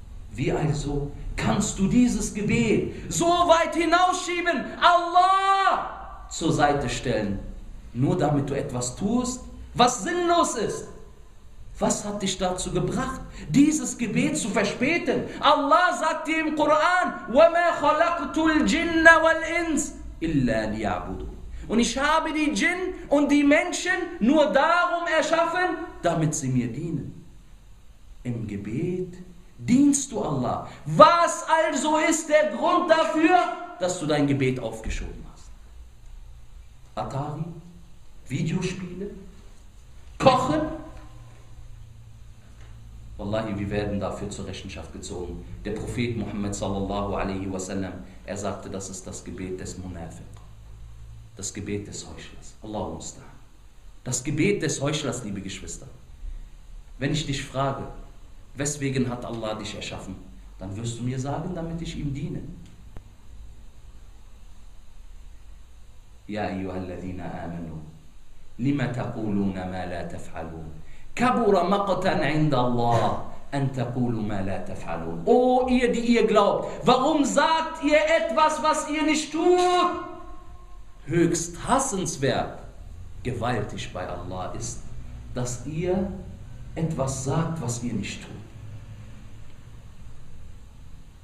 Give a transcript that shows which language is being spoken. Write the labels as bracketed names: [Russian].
[German] Wie also kannst du dieses Gebet so weit hinausschieben, Allah zur Seite stellen, nur damit du etwas tust, was sinnlos ist? Was hat dich dazu gebracht, dieses Gebet zu verspäten? Allah sagt dir im Koran, [Arabic] وَمَا خَلَقْتُ الْجِنَّ وَالْإِنْسِ إِلَّا لِيَعْبُدُ. [German] Und ich habe die Djinn und die Menschen nur darum erschaffen, damit sie mir dienen. Im Gebet dienst du Allah. Was also ist der Grund dafür, dass du dein Gebet aufgeschoben hast? Atari? Videospiele? Kochen? Wallahi, wir werden dafür zur Rechenschaft gezogen. Der Prophet Muhammad sallallahu alaihi wasallam, er sagte, das ist das Gebet des Munafiq. Das Gebet des Heuchlers. Allahu musta'an. Das Gebet des Heuchlers, liebe Geschwister. Wenn ich dich frage, weswegen hat Allah dich erschaffen, dann wirst du mir sagen, damit ich ihm diene. [Arabic] Ya ayyuhalladhina amanu, lima taquluna ma la taf'alun. كبر مقتا عند الله ان تقولوا ما لا تفعلون. [German] O ihr, die ihr glaubt, warum sagt ihr etwas, was ihr nicht tut? Höchst hassenswert, gewaltig bei Allah ist, dass ihr etwas sagt, was ihr nicht tut.